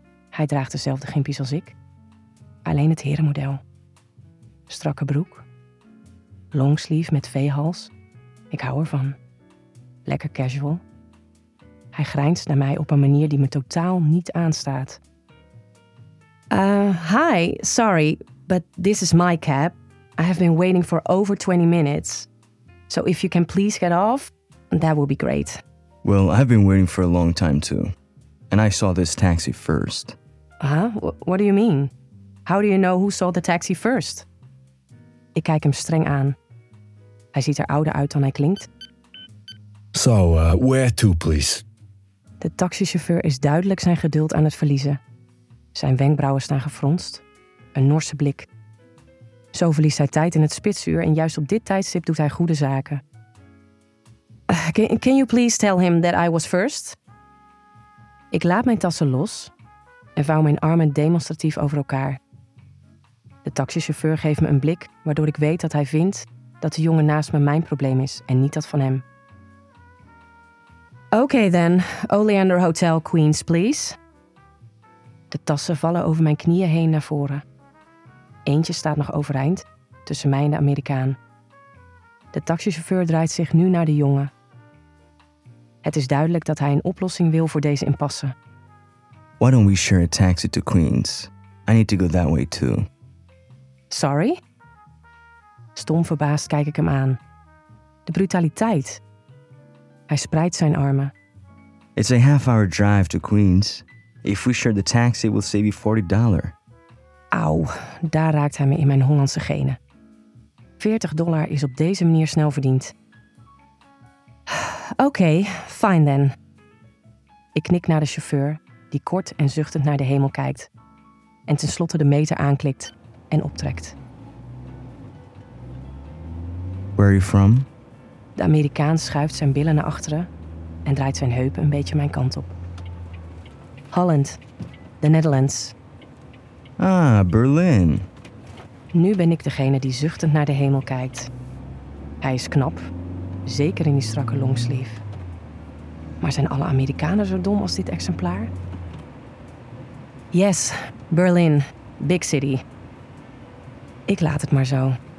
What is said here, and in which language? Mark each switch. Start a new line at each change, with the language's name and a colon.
Dutch: Hij draagt dezelfde gympies als ik. Alleen het herenmodel. Strakke broek. Longsleeve met V-hals. Ik hou ervan. Lekker casual. Hij grijnst naar mij op een manier die me totaal niet aanstaat.
English: Hi, sorry, but this is my cab. I have been waiting for over 20 minutes. So if you can please get off, that would be great. Well, I've been waiting for a long time too. And I saw this taxi first. What do you mean? How do you know who saw the taxi first?
Dutch: Ik kijk hem streng aan. Hij ziet er ouder uit dan hij klinkt.
English: So, where to, please?
Dutch: De taxichauffeur is duidelijk zijn geduld aan het verliezen. Zijn wenkbrauwen staan gefronst. Een norse blik. Zo verliest hij tijd in het spitsuur en juist op dit tijdstip doet hij goede zaken.
English: Can you please tell him that I was first?
Dutch: Ik laat mijn tassen los en vouw mijn armen demonstratief over elkaar. De taxichauffeur geeft me een blik waardoor ik weet dat hij vindt dat de jongen naast me mijn probleem is en niet dat van hem.
English: Okay then, Oleander Hotel, Queens, please.
Dutch: De tassen vallen over mijn knieën heen naar voren. Eentje staat nog overeind, tussen mij en de Amerikaan. De taxichauffeur draait zich nu naar de jongen. Het is duidelijk dat hij een oplossing wil voor deze impasse.
English: Why don't we share a taxi to Queens? I need to go that way too. Sorry?
Dutch: Stom verbaasd kijk ik hem aan. De brutaliteit. Hij spreidt zijn armen.
English: It's a half-hour drive to Queens. If we share the taxi, it will save you $40.
Dutch: Auw, daar raakt hij me in mijn Hollandse genen. $40 is op deze manier snel verdiend.
English: Okay, fine then.
Dutch: Ik knik naar de chauffeur, die kort en zuchtend naar de hemel kijkt. En tenslotte de meter aanklikt en optrekt.
English: Where are you from?
Dutch: De Amerikaan schuift zijn billen naar achteren en draait zijn heupen een beetje mijn kant op.
English: Holland, the Netherlands. Ah, Berlin.
Dutch: Nu ben ik degene die zuchtend naar de hemel kijkt. Hij is knap, zeker in die strakke longsleeve. Maar zijn alle Amerikanen zo dom als dit exemplaar?
English: Yes, Berlin, big city.
Dutch: Ik laat het maar zo.